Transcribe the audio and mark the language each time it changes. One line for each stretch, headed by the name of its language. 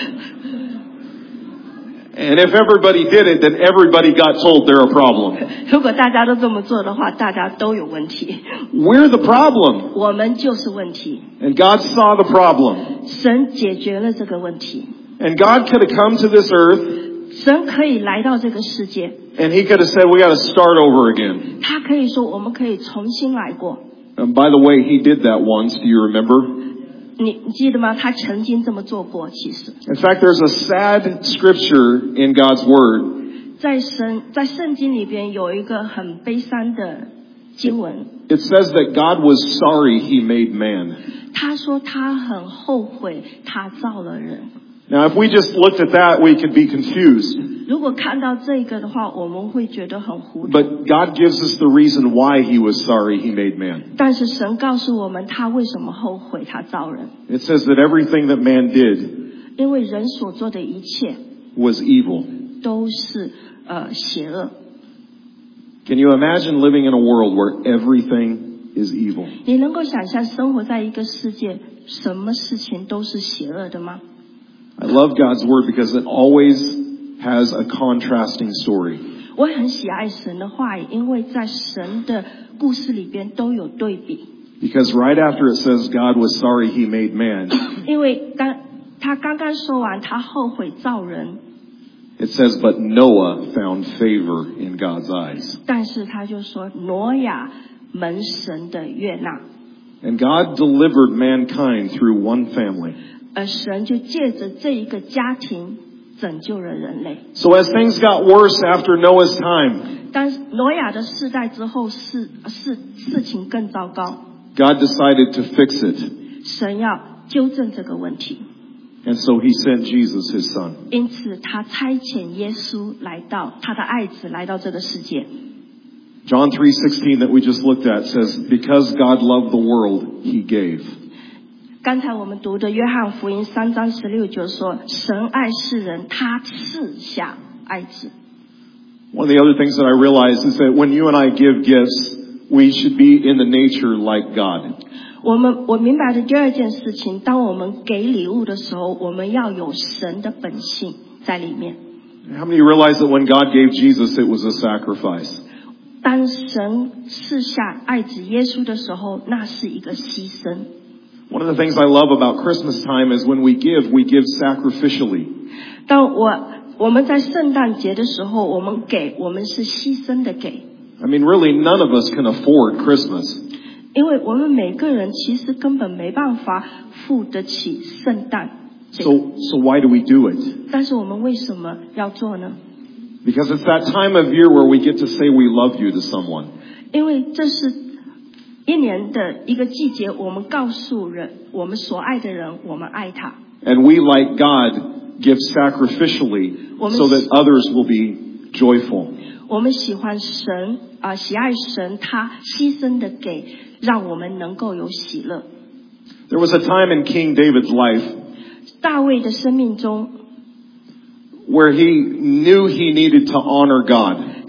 English: And if everybody did it, then everybody got told they're a problem.
Chinese: 如果大家都这么做的话，大家都有问题。
English: We're the problem.
Chinese: 我们就是问题。
English: And God saw the problem.
Chinese: 神解决了这个问题。
English: And God could have come to this earth.
Chinese: 神可以来到这个世界。
English: And He could have said, "We got to start over again."
Chinese: 他可以说，我们可以重新来过。
English: And by the way, He did that once. Do you remember?
Chinese: 你记得吗？他曾经这么做过，其实。
English: In fact, there's a sad scripture in God's word.
Chinese: 在圣经里边有一个很悲伤的经文。
English: It says that God was sorry He made man.
Chinese: 他说他很后悔他造了人。
English: Now, if we just looked at that, we could be confused.
Chinese: 如果看到这个的话，我们会觉得很糊涂。
English: But God gives us the reason why He was sorry He made man.
Chinese: 但是神告诉我们他为什么后悔他造人。
English: It says that everything that man did,
Chinese: 因为人所做的一切
English: was evil,
Chinese: 都是邪恶。
English: Can you imagine living in a world where everything is evil?
Chinese: 你能够想象生活在一个世界，什么事情都是邪恶的吗？
English: I love God's word because it always has a contrasting story.
Chinese: 我很喜爱神的话语，因为在神的故事里边都有对比。
English: Because right after it says God was sorry He made man.
Chinese: 因为他刚刚说完他后悔造人。
English: It says, but Noah found favor in God's eyes.
Chinese: 但是他就说挪亚蒙神的悦纳。
English: And God delivered mankind through one family.
Chinese: 神就借着这一个家庭拯救了人类。
English: So as things got worse after Noah's time,
Chinese: 当挪亚的世代之后事情更糟糕。
English: God decided to fix it.
Chinese: 神要纠正这个问题。
English: And so He sent Jesus, His Son.
Chinese: 因此他差遣耶稣来到他的爱子来到这个世界。
English: John 3:16 that we just looked at says, "Because God loved the world, He gave."
Chinese: 刚才我们读的约翰福音三章十六节说，神爱世人，他赐下爱子。
English: One of the other things that I realize is that when you and I give gifts, we should be in the nature like God.
Chinese: 我明白的第二件事情，当我们给礼物的时候，我们要有神的本性在里面。
English: How many realize that when God gave Jesus, it was a sacrifice?
Chinese: 当神赐下爱子耶稣的时候，那是一个牺牲。
English: One of the things I love about Christmas time is when we give sacrificially.
Chinese: 当我们在圣诞节的时候，我们给，我们是牺牲的给。
English: I mean, really, none of us can afford Christmas.
Chinese: 因为我们每个人其实根本没办法付得起圣诞。
English: So why do we do it?
Chinese: 但是我们为什么要做呢？
English: Because it's that time of year where we get to say we love you to someone.
Chinese: 因为这是一年的一个季节，我们告诉人，我们所爱的人，我们爱他。
English: And we like God give sacrificially so that others will be joyful.
Chinese: 我们喜欢神啊，喜爱神，他牺牲的给，让我们能够有喜乐。
English: There was a time in King David's life.
Chinese: 大卫的生命中。
English: Where he knew he needed to honor God.